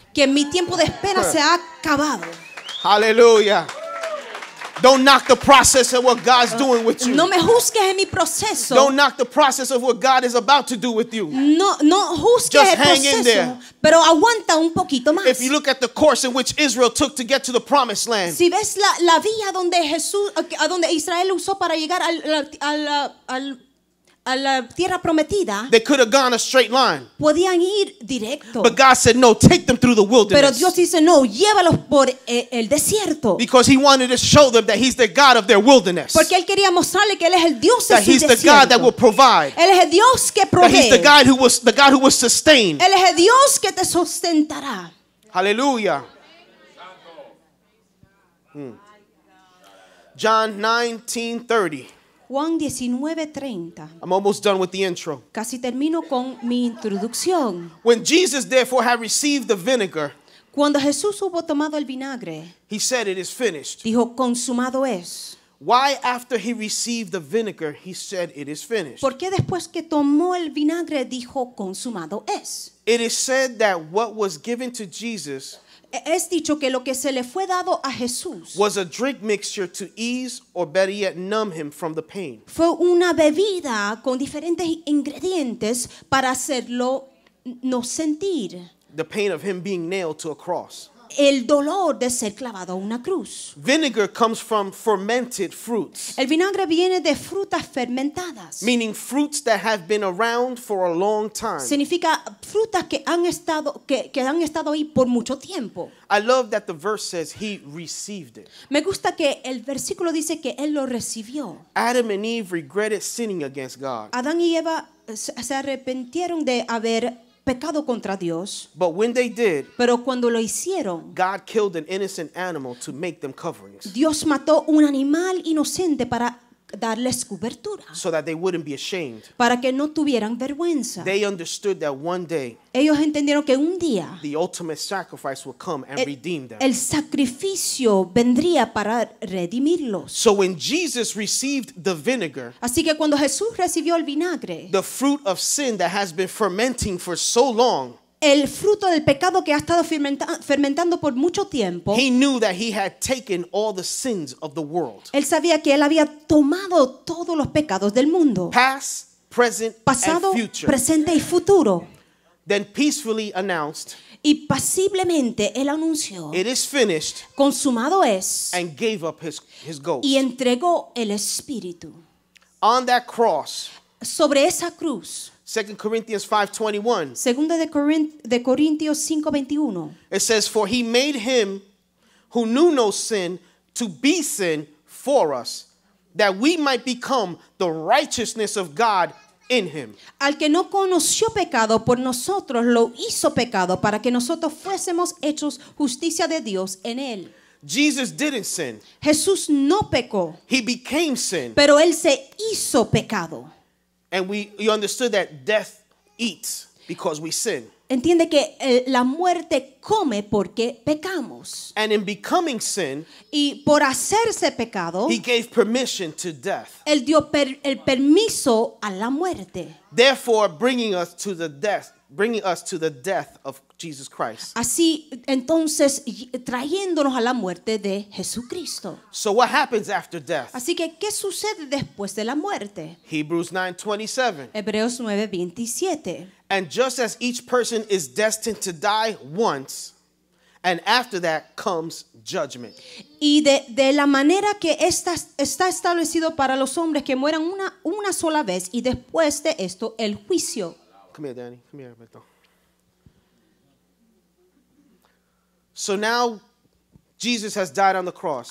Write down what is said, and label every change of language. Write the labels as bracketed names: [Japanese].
[Spanish] Que mi tiempo de espera se ha acabado. [English] Hallelujah. Don't knock the process of what God's doing with you. [Spanish] No me juzgues en mi proceso. [English] Don't knock the process of what God is about to do with you. [Spanish] No juzgues [English] just hang [Spanish] proceso, [English] in there. [Spanish] Pero aguanta un poquito más. [English] If you look at the course in which Israel took to get to the promised land. [Spanish] Si ves la vía donde Jesús a donde Israel usó para llegar al a la tierra prometida, [English] they could have gone a straight line. [Spanish] Podían ir directo. [English] But God said, no, take them through the wilderness. [Spanish] Pero Dios dice, no, llévalos por el desierto. [English] Because he wanted to show them that he's the God of their wilderness. [Spanish] Porque él quería mostrarle que él es el Dios de su desierto. [English] That he's the God that will provide. [Spanish] Él es el Dios que provee. [English] That he's the God who will sustain. [Spanish] Él es el Dios que te sustentará. [English] Hallelujah. John 19:30. [Spanish] Juan 19:30. [English] I'm almost done with the intro. [Spanish] Casi termino con mi introducción. [English] When Jesus therefore had received the vinegar, [Spanish] cuando Jesús hubo tomado el vinagre, [English] he said it is finished. [Spanish] Dijo consumado es. [English] Why after he received the vinegar he said it is finished? [Spanish] ¿Por qué después que tomó el vinagre dijo consumado es? [English] It is said that what was given to Jesus, [Spanish] es dicho que lo que se le fue dado a Jesús, [English] was a drink mixture to ease or better yet numb him from the pain. [Spanish] Fue una bebida con diferentes ingredientes para hacerlo no sentir [English] the pain of him being nailed to a cross. [Spanish] El dolor de ser clavado a una cruz. [English] Vinegar comes from fermented fruits. [Spanish] El vinagre viene de frutas fermentadas. [English] Meaning fruits that have been around for a long time. [Spanish] Significa frutas que han estado ahí por mucho tiempo. [English] I love that the verse says he received it. [Spanish] Me gusta que el versículo dice que él lo recibió. [English] Adam and Eve regretted sinning against God. [Spanish] Adán y Eva se arrepintieron de haber pecado contra Dios. [English] But when they did, [Spanish] pero cuando lo hicieron, [English] God killed an innocent animal to make them coverings. [Spanish] Dios mató un animal inocente para darles cobertura. [English] So that they wouldn't be ashamed. [Spanish] Para que no tuvieran vergüenza. [English] They understood that one day. [Spanish] Ellos entendieron que un día. [English] The ultimate sacrifice would come and redeem them. [Spanish] El sacrificio vendría para redimirlos. [English] So when Jesus received the vinegar. [Spanish] Así que cuando Jesús recibió el vinagre. [English] The fruit of sin that has been fermenting for so long. [Spanish] El fruto del pecado que ha estado fermentando por mucho tiempo. [English] He knew that he had taken all the sins of the world. [Spanish] Él sabía que él había tomado todos los pecados del mundo. [English] Past, present, [Spanish] pasado, [English] and future. [Spanish] Presente y futuro. [English] Then peacefully announced. [Spanish] Y pasiblemente él anunció. [English] It is finished. [Spanish] Consumado es. [English] And gave up his ghost. [Spanish] Y entregó el espíritu. [English] On that cross. [Spanish] Sobre esa cruz. [English] 2 Corinthians 5:21. [Spanish] Segunda de Corintios 5:21. [English] It says, "For he made him who knew no sin to be sin for us, that we might become the righteousness of God in him." [Spanish] Al que no conoció pecado por nosotros lo hizo pecado para que nosotros fuésemos hechos justicia de Dios en él. [English] Jesus didn't sin. [Spanish] Jesús no pecó. [English] He became sin. [Spanish] Pero él se hizo pecado. [English] And we understood that death eats because we sin. [Spanish] Entiende que la muerte come porque pecamos. [English] And in becoming sin, [Spanish] y por hacerse pecado, [English] he gave permission to death. [Spanish] Él dio el permiso a la muerte. [English] Therefore, bringing us to the death of Jesus Christ. [Spanish] Así, entonces, trayéndonos a la muerte de Jesucristo. [English] So what happens after death? [Spanish] Así que, ¿qué sucede después de la muerte? [English] Hebrews 9:27. [Spanish] Hebreos 9:27. [English] And just as each person is destined to die once, and after that comes judgment. [Spanish] Y de la manera que está establecido para los hombres que mueran una sola vez, y después de esto, el juicio. [English] Come here, Danny. Come here, Beto. So now Jesus has died on the cross.